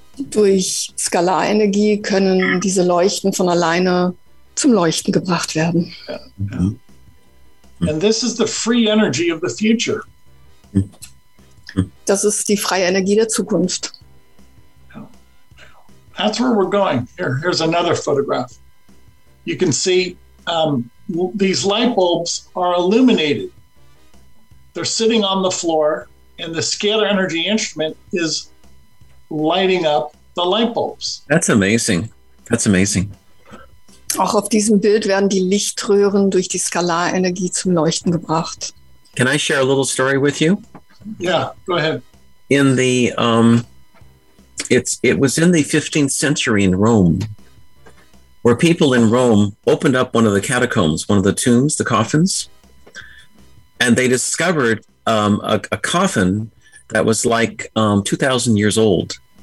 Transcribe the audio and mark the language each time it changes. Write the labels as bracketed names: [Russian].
[German] Durch Skalarenergie können diese Leuchten von alleine zum Leuchten gebracht werden. [English] And this is the free energy of the future. [German] Das ist die freie Energie der Zukunft. [English] That's where we're going. Here's another photograph. You can see these light bulbs are illuminated. They're sitting on the floor and the scalar energy instrument is lighting up the light bulbs. That's amazing. That's amazing. [German] Auch auf diesem Bild werden die Lichtröhren durch die Skalarenergie zum Leuchten gebracht. [English] Can I share a little story with you? Yeah, go ahead. In the it was in the 15th century in Rome, where people in Rome opened up one of the catacombs, one of the tombs, the coffins, and they discovered a coffin that was like 2,000 years old.